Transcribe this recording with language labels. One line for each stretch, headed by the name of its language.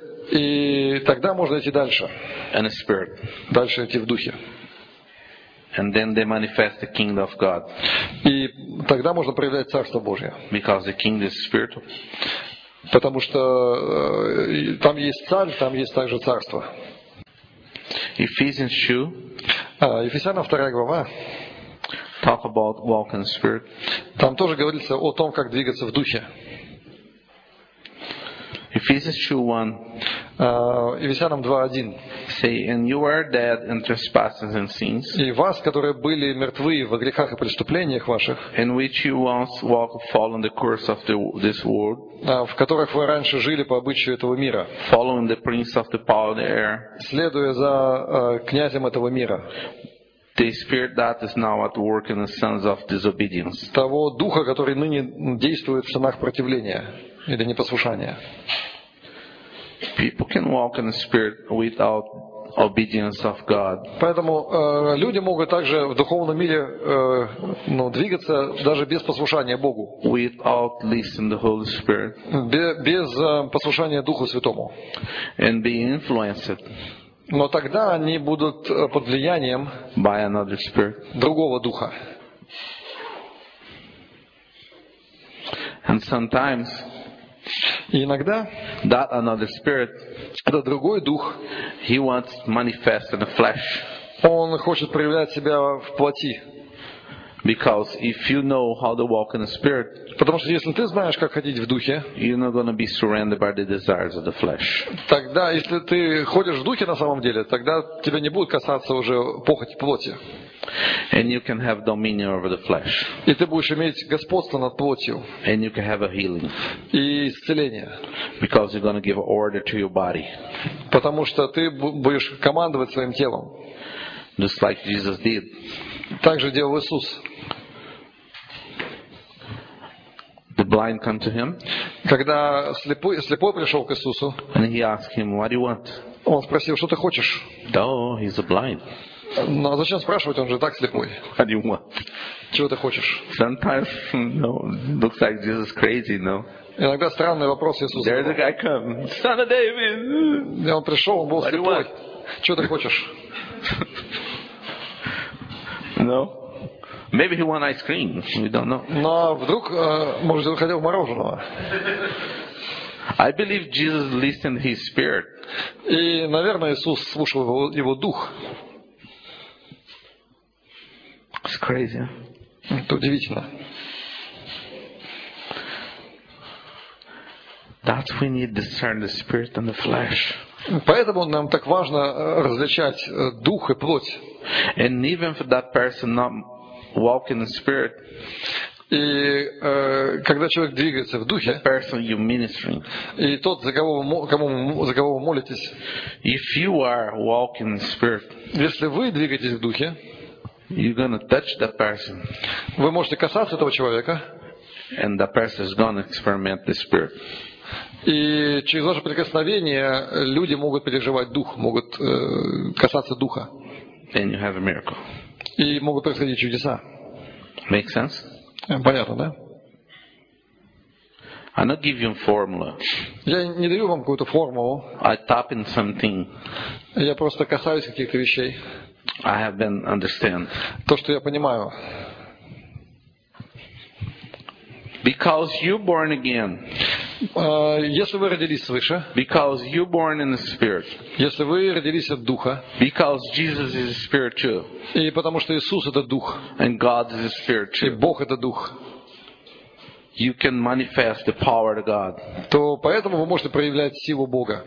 Russian: И тогда можно идти дальше.
English: In the Spirit.
Russian: Дальше идти в духе.
English: And then they manifest the kingdom of God.
Russian: И тогда можно проявлять Царство Божье.
English: Because the kingdom is spiritual.
Russian: Потому что там есть царь, там есть также царство.
English: Ephesians 2.
Russian: Ефесянам 2 глава.
English: Talk about walking in spirit.
Russian: Там тоже говорится о том, как двигаться в духе.
English: Ephesians 2:1.
Russian: Ефесянам 2:1.
English: Say, and you are dead in trespasses and sins.
Russian: И вас, которые были мертвы во грехах и преступлениях ваших.
English: In which you once walked following the course of this world.
Russian: В которых вы раньше жили по обычаю этого мира.
English: Following the prince of the power of the air.
Russian: Следуя за князем этого мира.
English: The spirit that is now at work in the sons of disobedience.
Russian: Того духа, который ныне действует в сынах противления. Или непослушание.
English: People can walk in the spirit without obedience of God.
Russian: Поэтому люди могут также в духовном мире двигаться даже без послушания Богу.
English: Without listening to the Holy Spirit.
Russian: Без послушания Духу Святому.
English: And be influenced.
Russian: Но тогда они будут под влиянием
English: by another spirit.
Russian: Другого духа.
English: And sometimes.
Russian: И иногда
English: that another spirit,
Russian: это другой дух,
English: he wants manifest in the flesh.
Russian: Он хочет проявлять себя в плоти.
English: Because if you know how to walk in the spirit,
Russian: потому что если ты знаешь, как ходить в духе,
English: you're not gonna be surrounded by the desires of the flesh.
Russian: Тогда, если ты ходишь в духе на самом деле, тогда тебя не будет касаться уже похоти плоти.
English: And you can have dominion over the flesh.
Russian: И ты будешь иметь господство над плотью.
English: And you can have a healing.
Russian: И исцеление.
English: Because you're gonna give order to your body.
Russian: Потому что ты будешь командовать своим телом.
English: Just like Jesus did.
Russian: Так же делал Иисус.
English: The blind come to him.
Russian: Когда слепой пришел к Иисусу.
English: And he asked him, "What do you want?"
Russian: Он спросил, что ты хочешь?
English: No, he's a blind.
Russian: Но зачем спрашивать, он же так слепой.
English: What do you want?
Russian: Чего ты хочешь?
English: Sometimes, no, looks like Jesus crazy, no.
Russian: Иногда странный вопрос Иисуса.
English: There's a guy come, son of David.
Russian: И он пришел, он был слепой. Чего ты хочешь?
English: No. Maybe he want ice cream. We don't know.
Russian: Но вдруг, может, он хотел мороженого.
English: I believe Jesus listened his spirit.
Russian: И, наверное, Иисус слушал его дух.
English: It's crazy.
Russian: Это удивительно.
English: That's we need to discern the spirit and the flesh.
Russian: Поэтому нам так важно различать дух и плоть.
English: And even for that person not walking in spirit.
Russian: И когда человек двигается в духе,
English: the person you're ministering.
Russian: И тот, за кого вы молитесь,
English: if you are walking in spirit.
Russian: Если вы двигаетесь в духе,
English: you're gonna touch that person.
Russian: Вы можете касаться этого человека.
English: And that person is gonna experiment the spirit.
Russian: И через ваше прикосновение люди могут переживать дух, могут касаться духа.
English: And you have a miracle.
Russian: И могут происходить чудеса.
English: Make sense?
Russian: Понятно, да?
English: I don't give you a formula.
Russian: Я не даю вам какую-то формулу.
English: I tap in something.
Russian: Я просто касаюсь каких-то вещей.
English: I have been understand.
Russian: То, что я понимаю.
English: Because you're born again.
Russian: Если вы родились свыше,
English: because you born in the spirit,
Russian: если вы родились от духа,
English: because Jesus is spirit too,
Russian: и потому что Иисус это дух,
English: and God is spirit too,
Russian: и Бог это дух,
English: you can manifest the power of God,
Russian: то поэтому вы можете проявлять силу Бога,